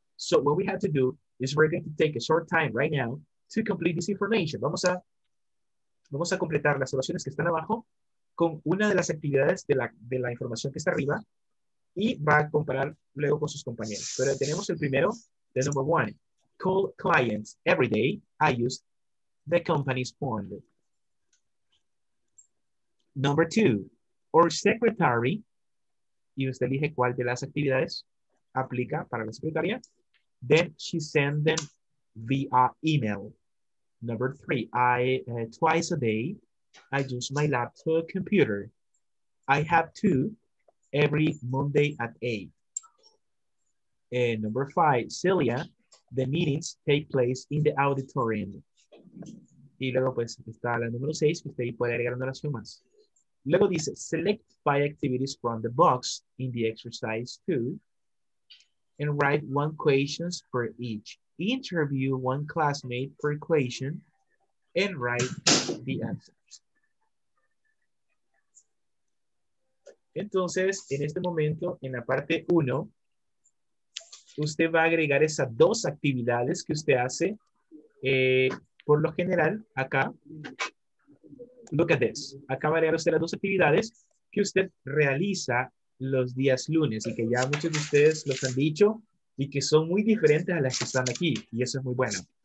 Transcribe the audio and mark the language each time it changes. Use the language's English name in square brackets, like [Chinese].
[English] So what we have to do is we're going to take a short time right now to complete this information. [Spanish] Vamos a completar las oraciones que están abajo con una de las actividades de la información que está arriba y va a comparar luego con sus compañeros. Pero tenemos el primero, [English] the number one. Call clients every day. I use the company's phone. Number two, our secretary. [Spanish] Y usted elige cuál de las actividades aplica para la secretaria. [English] Then she sends them via email. Number three, twice a day. I use my laptop computer. I have two every Monday at 8. And number 5, Celia, the meetings take place in the auditorium. [Spanish] Y luego pues está la número 6, que usted puede agregar una oración más. [English] Luego dice, select 5 activities from the box in the exercise 2 and write 1 questions for each. Interview 1 classmate per question and write the answers. [Spanish] Entonces, en este momento, en la parte 1, usted va a agregar esas dos actividades que usted hace por lo general acá. [English] Look at this. [Spanish] Acá va a agregar usted las dos actividades que usted realiza los días lunes y que ya muchos de ustedes los han dicho y que son muy diferentes a las que están aquí. Y eso es muy bueno.